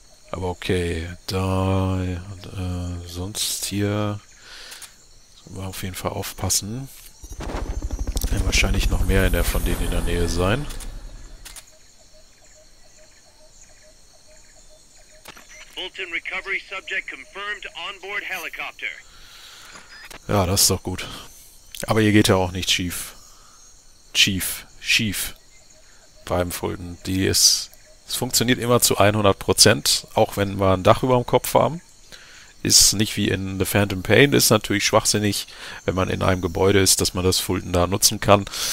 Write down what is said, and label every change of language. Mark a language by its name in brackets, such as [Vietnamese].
[German] Aber okay, sonst hier sollen wir auf jeden Fall aufpassen. Ja, wahrscheinlich noch mehr von denen in der Nähe sein. [English] Fulton Recovery Subject confirmed on board helicopter. [German] Ja, das ist doch gut. Aber hier geht ja auch nichts schief. Schief. Beim Fulton. Es funktioniert immer zu 100%. Auch wenn wir ein Dach über dem Kopf haben. Ist nicht wie in The Phantom Pain. Ist natürlich schwachsinnig, wenn man in einem Gebäude ist, dass man das Fulton da nutzen kann.